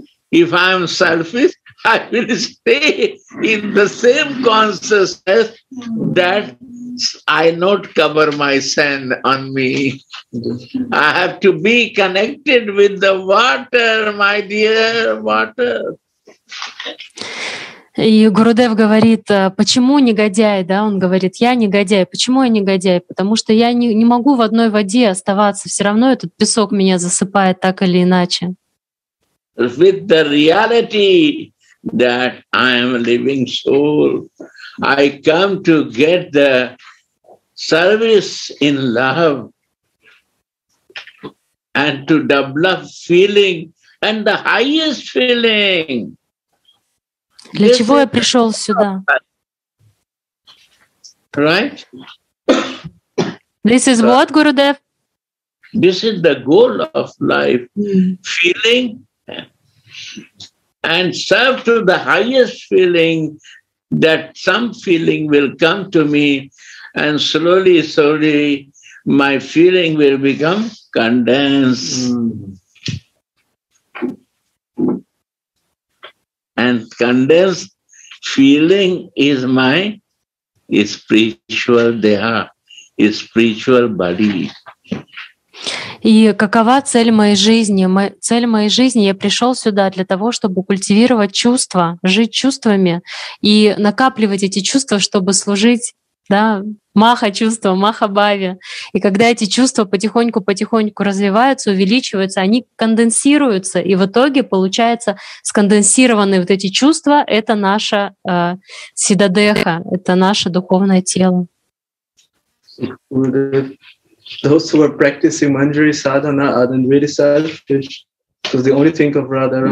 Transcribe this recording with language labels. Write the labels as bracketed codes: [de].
[en] If I'm selfish, I will stay in the same consciousness that I not cover my sand on me. I have to be connected with the water, my dear water. [ru] И Гурудев говорит, почему негодяй, да, он говорит, я негодяй. Почему я негодяй? Потому что я не могу в одной воде оставаться, все равно этот песок меня засыпает так или иначе. [en] With the reality that I am a living soul, I come to get the service in love and to develop feeling and the highest feeling. [ru] Для чего я пришел сюда? [en] Right? This is what, Gurudev? This is the goal of life. Feeling and serve to the highest feeling that some feeling will come to me and slowly, slowly my feeling will become condensed. And condensed feeling is my spiritual deha, spiritual body. [ru] И какова цель моей жизни? Цель моей жизни — я пришел сюда для того, чтобы культивировать чувства, жить чувствами и накапливать эти чувства, чтобы служить, да, маха чувства, маха бхави. И когда эти чувства потихоньку-потихоньку развиваются, увеличиваются, они конденсируются, и в итоге получается сконденсированные вот эти чувства — это наша сиддадеха, это наше духовное тело. [en] Those who are practicing Manjari Sadhana are then really selfish, because they only think of Radha.